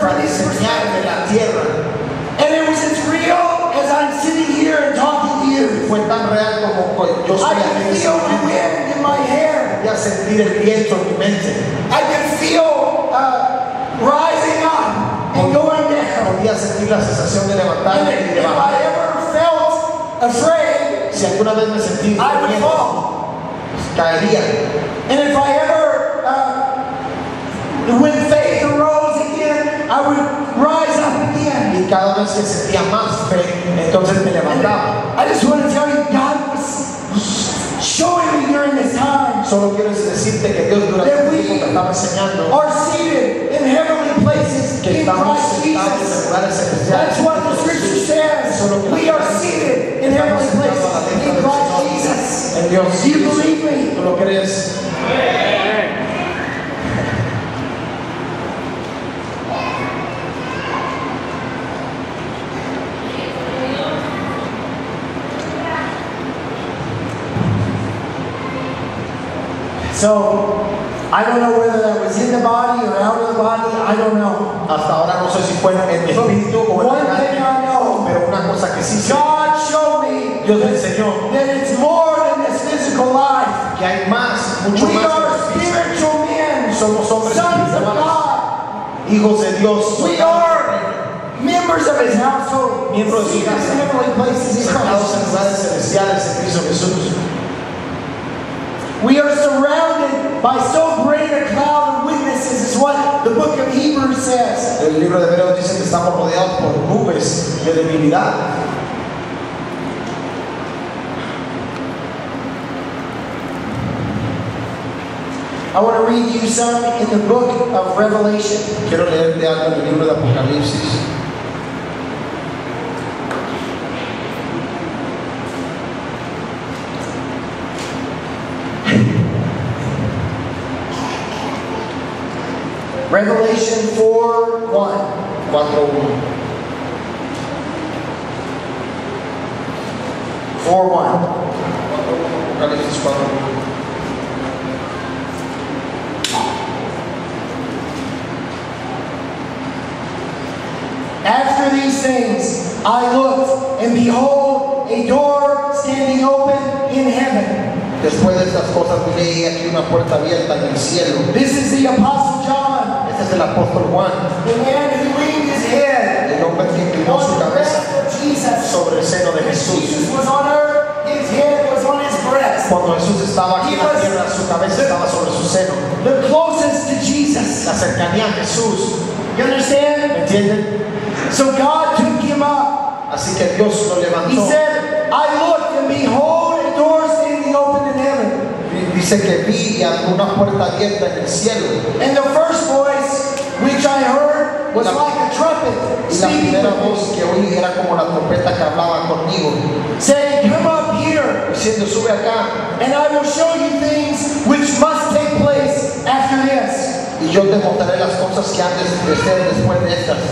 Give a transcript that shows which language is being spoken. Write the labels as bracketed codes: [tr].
[es] para enseñarme la tierra. [en] And it was as real as I'm sitting here and talking to you. [es] Fue tan real como yo estoy aquí. [en] I can feel the wind in my hair. [es] Ya sentir el viento en mi mente. [en] I can feel rising up and going down. [es] Podía sentir la sensación de levantarme y de bajar. [en] If I ever felt afraid, [es] si alguna vez me sentí [en] I would fall. [es] Caería. [en] And if I ever when faith arose again, I would rise up again. [es] Y cada vez que sentía más fe, entonces me levantaba. [en] I just want to tell you, God was showing me during this time. [es] Solo quiero decirte que Dios durante el tiempo te estaba enseñando. [en] Are seated in heavenly places [es] que [en] in Christ Jesus. That's what the scripture says. We are seated in heavenly places in Christ Jesus. [es] En Dios. [en] Do you believe me? [es] ¿Tú lo crees? [en] So, I don't know whether that was in the body or out of the body, I don't know. [es] Hasta ahora no sé si fue en el espíritu o en la carne. [en] One thing I know, [es] pero una cosa que sí, [en] God showed me, [es] Dios me enseñó, [en] that it's more than this physical life. [es] Que hay más, mucho [en] we [es] más [en] are spiritual men, [es] somos hombres, [en] sons of God, [es] hijos de Dios. [en] We are members of his household, [es] miembros de su casa, sacados en lugares celestiales en Cristo Jesús. [en] We are surrounded by so great a cloud of witnesses, is what the book of Hebrews says. [es] El libro de Hebreos dice que estamos rodeados por nubes de debilidad. [en] I want to read you some in the book of Revelation. [es] Quiero leerte algo del libro de Apocalipsis. [en] Revelation 4:1. Revelation 4:1. After these things, I looked, and behold, a door standing open in heaven. [es] Después de estas cosas vi aquí una puerta abierta en el cielo. [en] This is the Apostle John. [es] El apóstol Juan, [en] the man who leaned his head, [es] el hombre que inclinó su cabeza [en] Jesus, [es] sobre el seno de Jesús. [en] Jesus was on earth, his head was on his breast. [es] Cuando Jesús estaba aquí en la tierra, su cabeza estaba sobre su seno. [en] The closest to Jesus. [es] La cercanía a Jesús. [en] You understand? [es] ¿Me entienden? [en] So God took him up. [es] Así que Dios lo levantó. [en] He said, I looked and behold a door standing open in heaven. [es] Dice que vi una puerta abierta en el cielo. [en] And the first voice which I heard was like a trumpet speaking to me, saying, come up here, and I will show you things which must take place after this. [es] Y yo te mostraré las cosas que antes de ser después de estas.